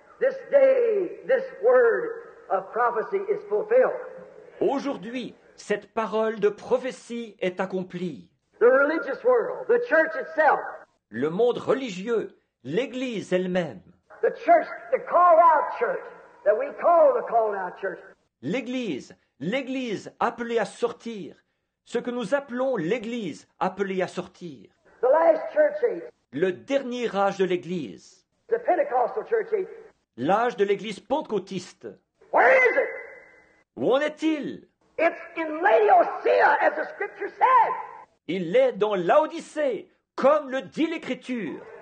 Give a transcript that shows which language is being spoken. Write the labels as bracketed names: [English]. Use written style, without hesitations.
[English] This day, this word of prophecy is fulfilled. [French] Aujourd'hui, cette parole de prophétie est accomplie. [English] The religious world, the church itself. [French] Le monde religieux, l'Église elle-même. [English] The church, the called-out church, that we call the called-out church. [French] L'Église, l'Église appelée à sortir, ce que nous appelons l'Église appelée à sortir. [English] The last church age. [French] Le dernier âge de l'Église. [English] The Pentecostal church age. [French] L'âge de l'Église pentecôtiste. [English] Where is it? [French] Où en est-il? [English] It's in Laodicea, as the scripture said. [French] Il est dans Laodicée, comme le dit l'Écriture.